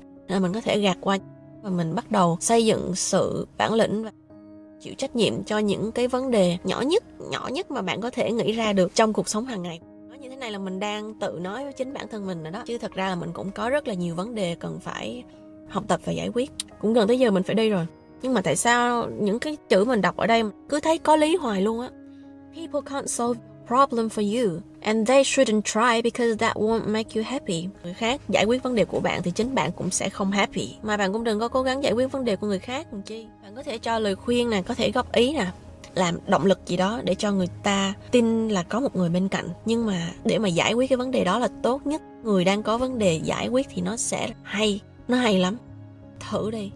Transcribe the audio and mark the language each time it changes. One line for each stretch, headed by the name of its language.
Vietnamese: Nên là mình có thể gạt qua và mình bắt đầu xây dựng sự bản lĩnh và chịu trách nhiệm cho những cái vấn đề nhỏ nhất mà bạn có thể nghĩ ra được trong cuộc sống hàng ngày. Nói như thế này là mình đang tự nói với chính bản thân mình rồi đó. Chứ thật ra là mình cũng có rất là nhiều vấn đề cần phải học tập và giải quyết. Cũng gần tới giờ mình phải đi rồi. Nhưng mà tại sao những cái chữ mình đọc ở đây cứ thấy có lý hoài luôn á.
English: People can't solve problem for you and they shouldn't try because that won't make you happy.
Vietnamese: Người khác giải quyết vấn đề của bạn thì chính bạn cũng sẽ không happy. Mà bạn cũng đừng có cố gắng giải quyết vấn đề của người khác làm chi. Bạn có thể cho lời khuyên nè, có thể góp ý nè, làm động lực gì đó để cho người ta tin là có một người bên cạnh. Nhưng mà để mà giải quyết cái vấn đề đó là tốt nhất. Người đang có vấn đề giải quyết thì nó sẽ hay, nó hay lắm. Thử đi.